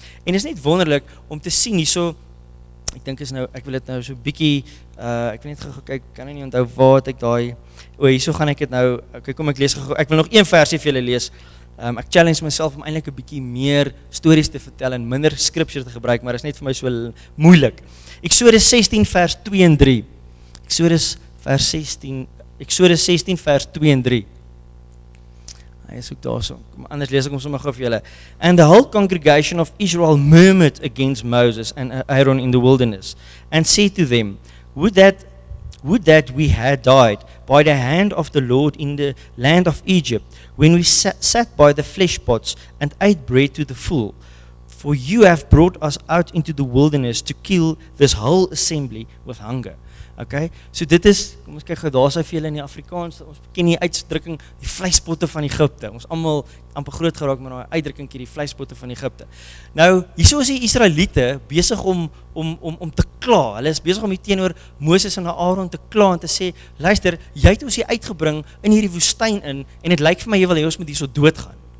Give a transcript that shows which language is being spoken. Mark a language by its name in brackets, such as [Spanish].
[Afrikaans] En dit is net wonderlik om te sien hierso. Ek dink is nou, ek wil dit nou so bietjie ek wil net gou kyk, kan nie onthou waar het ek daai o, hierso gaan ek dit nou. Okay, kom ek lees gou. Ek wil nog een versie vir julle lees. Ek challenge myself om eintlik 'n bietjie meer stories te vertel en minder scripture te gebruik, maar dit is net vir my so moeilik. Exodus 16 vers 2 en 3. [English] And the whole congregation of Israel murmured against Moses and Aaron in the wilderness, and said to them, Would that we had died by the hand of the Lord in the land of Egypt, when we sat by the flesh pots and ate bread to the full. For you have brought us out into the wilderness to kill this whole assembly with hunger. [Afrikaans] Okay, so dit is, kom ons kyk gou, daar is vir julle in die Afrikaans, ons ken die uitdrukking, die vleispotte van Egipte. Ons almal amper groot geraak met daai uitdrukking, die vleispotte van Egipte. Nou, hierso is die Israeliete besig om te kla. Hulle is besig om hier teenoor Moses en Aaron te kla en te sê, luister, jy het ons hier uitgebring in hierdie woestyn in, en dit lyk vir my jy wil hê ons moet hierso doodgaan.